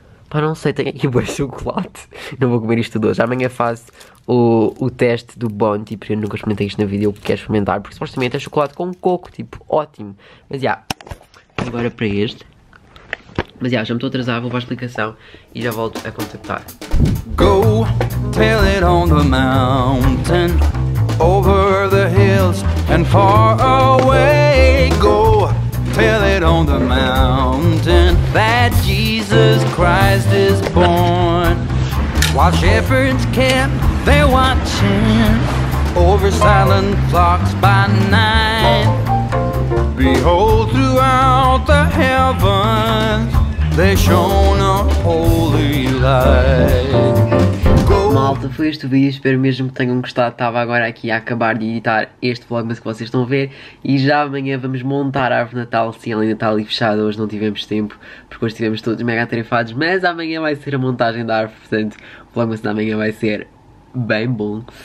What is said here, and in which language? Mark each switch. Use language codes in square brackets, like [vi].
[pt] Pá, não sei, tenho aqui boi chocolate. Não vou comer isto hoje. Amanhã faço o teste do Bounty, porque eu nunca experimentei isto na vida e eu quero experimentar, porque supostamente é chocolate com coco, tipo, ótimo. Mas já... Yeah. Agora para este. Mas já me estou a atrasar, vou para a explicação e já volto a contactar. [en] Go tell it on the mountain, over the hills and far away. Go tell it on the mountain that Jesus Christ is born. While shepherds camp, they're watching over silent flocks by night. Behold, throughout the heavens, they shone a holy light. [pt] Malta, foi este o vídeo, espero mesmo que tenham gostado. Estava agora aqui a acabar de editar este vlog, mas que vocês estão a ver. E já amanhã vamos montar a árvore de Natal, se ela ainda está ali fechada. Hoje não tivemos tempo, porque hoje estivemos todos mega atarefados. Mas amanhã vai ser a montagem da árvore, portanto, o vlog da amanhã vai ser bem bom.